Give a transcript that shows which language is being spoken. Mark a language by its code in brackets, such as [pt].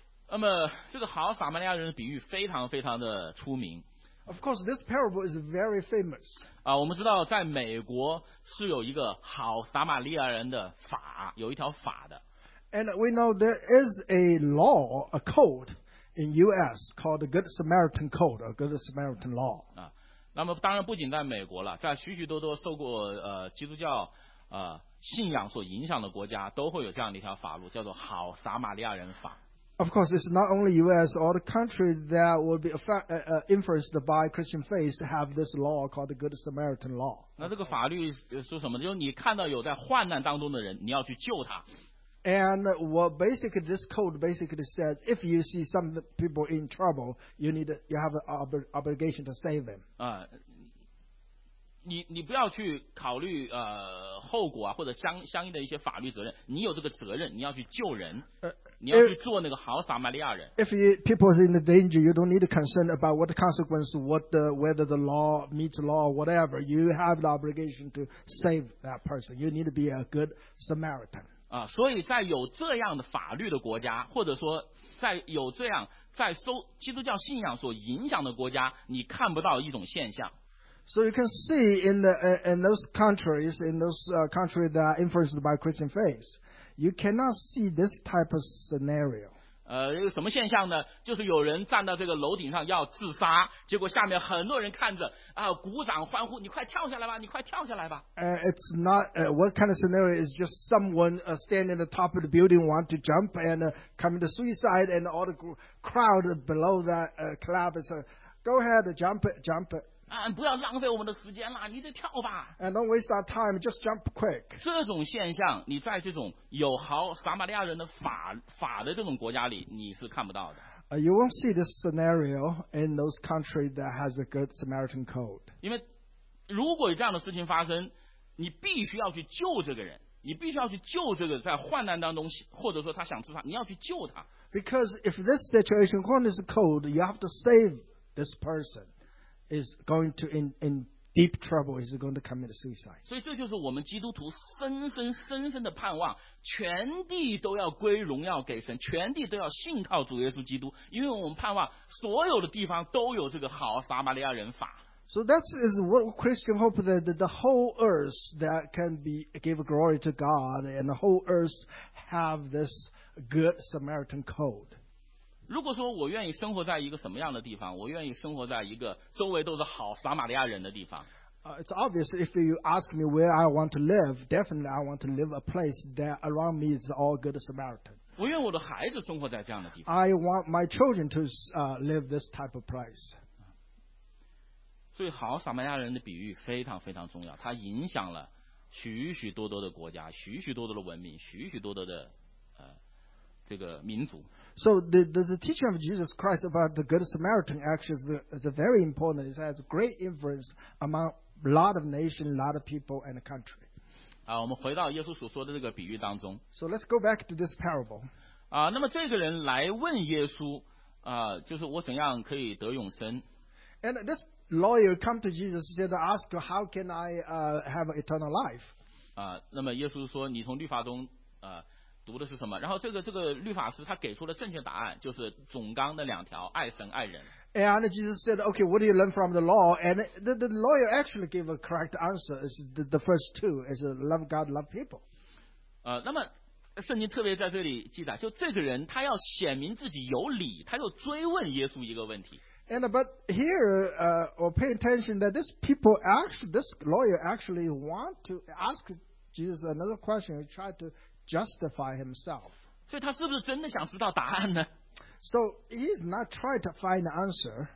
[zh] 那么这个好撒玛利亚人的比喻非常非常的出名。 [en] Of course, this parable is very famous. [zh] 啊，我们知道在美国是有一个好撒玛利亚人的法，有一条法的。 [en] And we know there is a law, a code. In U.S. called the Good Samaritan Code, a Good Samaritan Law. [zh] 啊，那么当然不仅在美国了，在许许多多受过基督教信仰所影响的国家，都会有这样的一条法律，叫做好撒玛利亚人法。 [en] Of course, it's not only U.S. All the countries that would be influenced by Christian faith have this law called the Good Samaritan Law. [zh] 那这个法律是什么？就是你看到有在患难当中的人，你要去救他。 [en] And what basically this code basically says, if you see some people in trouble, you have an obligation to save them. [zh] 你不要去考虑后果啊，或者相应的一些法律责任。你有这个责任，你要去救人，你要去做那个好撒玛利亚人。 [en] If people are in the danger, you don't need to concern about what the consequence, whether the law meets law or whatever. You have the obligation to save that person. You need to be a good Samaritan. [zh] 啊，所以在有这样的法律的国家，或者说在有这样在受基督教信仰所影响的国家，你看不到一种现象。 [en] So you can see in those countries that are influenced by Christian faith, you cannot see this type of scenario. [zh] 什么现象呢？就是有人站到这个楼顶上要自杀，结果下面很多人看着啊，鼓掌欢呼，你快跳下来吧，你快跳下来吧。 [en] What kind of scenario is just someone standing at the top of the building want to jump and commit suicide, and all the crowd below that club is go ahead, jump. [zh] 啊，不要浪费我们的时间了，你得跳吧。 [en] And don't waste our time, just jump quick. [zh] 这种现象，你在这种有好撒玛利亚人的法的这种国家里，你是看不到的。 [en] You won't see this scenario in those countries that has a good Samaritan code. [zh] 因为如果有这样的事情发生，你必须要去救这个人，你必须要去救这个在患难当中，或者说他想自杀，你要去救他。 [en] Because if this situation according to this code, you have to save this person. Is going to in deep trouble. Is going to commit suicide. [zh] 所以这就是我们基督徒深深的盼望。全地都要归荣耀给神，全地都要信靠主耶稣基督，因为我们盼望所有的地方都有这个好撒玛利亚人法。 [en] So that is what Christian hope that the whole earth that can be give glory to God and the whole earth have this good Samaritan code. [zh] 如果说我愿意生活在一个什么样的地方，我愿意生活在一个周围都是好撒玛利亚人的地方。 [en] It's obvious if you ask me where I want to live, definitely I want to live a place that around me is all good Samaritan. [zh] 我愿我的孩子生活在这样的地方。 [en] I want my children to live this type of place. [zh] 所以好撒玛利亚人的比喻非常非常重要，它影响了许许多多的国家，许许多多的文明，许许多多的这个民族。 [en] So the teaching of Jesus Christ about the Good Samaritan actually is very important. It has great influence among a lot of nations, a lot of people and country. [zh] 啊，我们回到耶稣所说的这个比喻当中。 [en] So let's go back to this parable. [zh] 啊，那么这个人来问耶稣，就是我怎样可以得永生。 [en] And this lawyer come to Jesus said, ask how can I have eternal life? [zh] 啊，那么耶稣说，你从律法中读的是什么？然后这个律法师他给出了正确答案，就是总纲的两条，爱神爱人。 [en] And Jesus said, "Okay, what do you learn from the law?" And the lawyer actually gave a correct answer. Is the first two is love God, love people. [zh] 那么圣经特别在这里记载，就这个人他要显明自己有理，他又追问耶稣一个问题。 [en] And but here, we'll pay attention that this lawyer actually want to ask Jesus another question. He tried to. Justify himself. [zh] 所以他是不是真的想知道答案呢？ [en] So he's not trying to find the answer.